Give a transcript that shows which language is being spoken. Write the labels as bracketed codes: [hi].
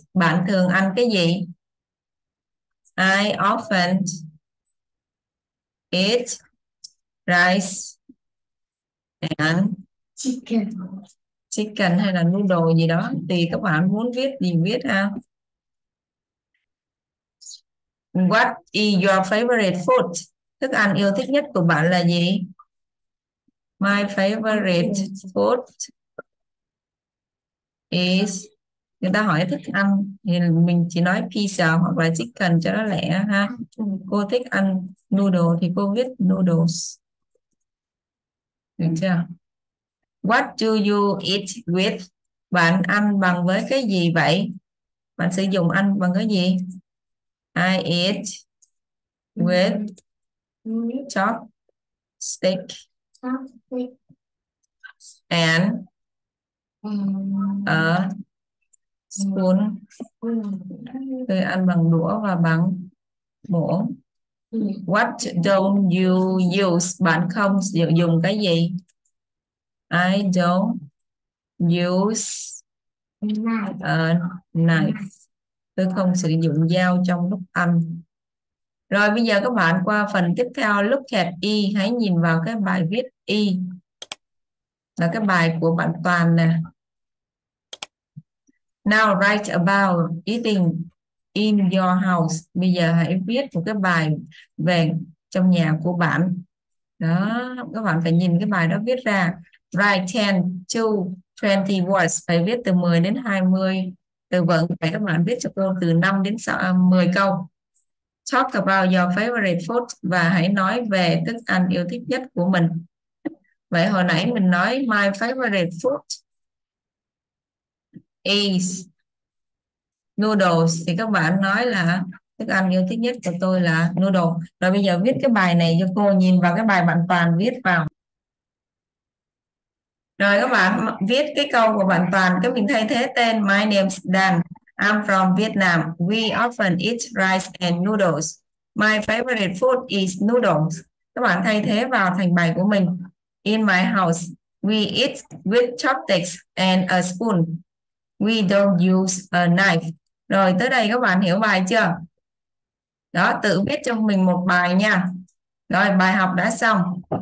[vi] Bạn thường ăn cái gì? [en] I often eat rice and chicken. [vi] Chicken hay là noodle gì đó. Tùy các bạn muốn viết gì viết ha. [en] What is your favorite food? [vi] Thức ăn yêu thích nhất của bạn là gì? [en] My favorite food is... [vi] Người ta hỏi thức ăn thì mình chỉ nói pizza hoặc là chicken cho nó lẹ ha. Cô thích ăn noodle thì cô viết noodles. Được chưa? [en] What do you eat with? [vi] Bạn ăn bằng với cái gì vậy? Bạn sử dụng ăn bằng cái gì? [en] I eat with chopstick and a spoon. [vi] Tôi ăn bằng đũa và bằng muỗng. [en] What don't you use? [vi] Bạn không sử dụng cái gì? [en] I don't use a knife. [vi] Tôi không sử dụng dao trong lúc ăn. Rồi bây giờ các bạn qua phần tiếp theo. [en] Look at E. [vi] Hãy nhìn vào cái bài viết E. Là cái bài của bạn Toàn nè. [en] Now write about eating in your house. [vi] Bây giờ hãy viết một cái bài về trong nhà của bạn. Đó, các bạn phải nhìn cái bài đó viết ra. [en] Write 10 to 20 words. [vi] Phải viết từ 10 đến 20 từ vựng. Phải các bạn viết cho cô từ 5 đến 10 câu. [en] Talk about your favorite food [vi] và hãy nói về thức ăn yêu thích nhất của mình. Vậy hồi nãy mình nói [en] my favorite food is noodles. [vi] Thì các bạn nói là thức ăn yêu thích nhất của tôi là noodle. Rồi bây giờ viết cái bài này cho cô, nhìn vào cái bài bạn Toàn viết vào. Rồi các bạn viết cái câu của bạn Toàn, các mình thay thế tên. [en] My name's Dan. I'm from Vietnam. We often eat rice and noodles. My favorite food is noodles. [vi] Các bạn thay thế vào thành bài của mình. [en] In my house, we eat with chopsticks and a spoon. We don't use a knife. [vi] Rồi tới đây các bạn hiểu bài chưa? Đó, tự viết cho mình một bài nha. Rồi, bài học đã xong.